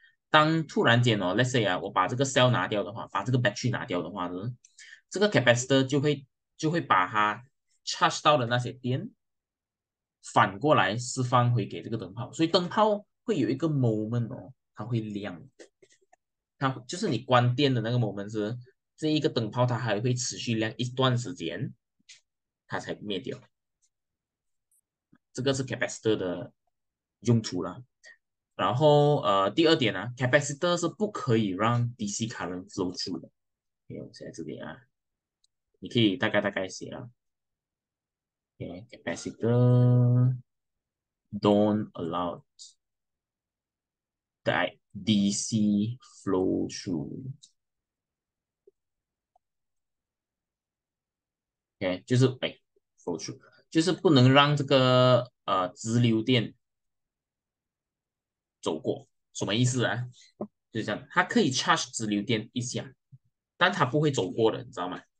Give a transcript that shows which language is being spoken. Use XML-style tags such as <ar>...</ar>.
<zh>当突然间哦，</zh> <en>let's say</en> <zh>啊，我把这个 cell 拿掉的话，把这个 battery 拿掉的话呢，这个 capacitor 就会把它 charge 到的那些电，反过来释放回给这个灯泡，所以灯泡会有一个 moment 哦，它会亮，它就是你关电的那个 moment 是这一个灯泡它还会持续亮一段时间，它才灭掉。这个是 capacitor 的用途啦。然后，第二点呢、capacitor 是不可以让</zh> <en>DC current flow through</en> <zh>的。 OK，我写在这里啊，你可以大概写啊。</zh> <en>OK，capacitor don't allow that DC flow through。</en> <zh>OK，就是</zh> <en>flow through，</en> <zh>就是不能让这个直流电。走过什么意思啊？就是这样，它可以 charge 直流电一下，但它不会走过的，你知道吗？</zh>